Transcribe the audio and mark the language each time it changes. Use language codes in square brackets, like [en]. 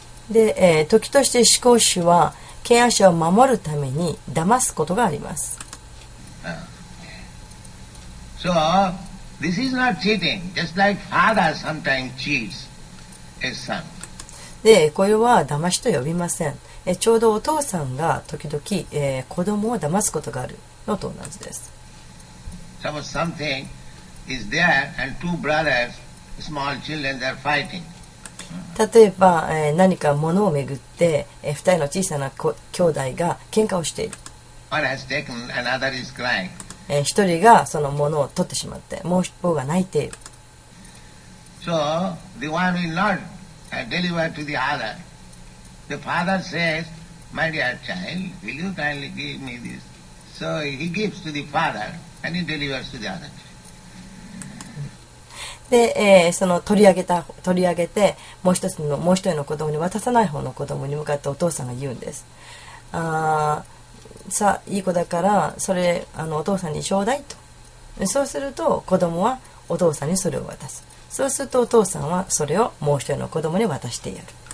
[ja] で、時として思考主は権威者を守るために騙すことがあります。 [en] So this is not cheating, just like father sometimes cheats his son. [ja] で、これは騙しと呼びません。ちょうどお父さんが時々、子供を騙すことがあるのと同じです。 [en] Suppose something is there and two brothers, small children, they're fighting. [ja] 例えば、何か物をめぐって、二人の小さな兄弟が喧嘩をしている。 [en] One has taken, another is crying. [ja] 一人がその物を取ってしまって、もう一方が泣いている。 [en] So, the one will not deliver to the other. The father says, my dear child, will you kindly give me this? So, he gives to the father and he delivers to the other. [ja] で、その取り上げた、取り上げてもう一つの、もう一人の子供に渡さない方の子供に向かってお父さんが言うんです。さあいい子だからそれお父さんにちょうだいと。そうすると子供はお父さんにそれを渡す。そうするとお父さんはそれをもう一人の子供に渡してやる。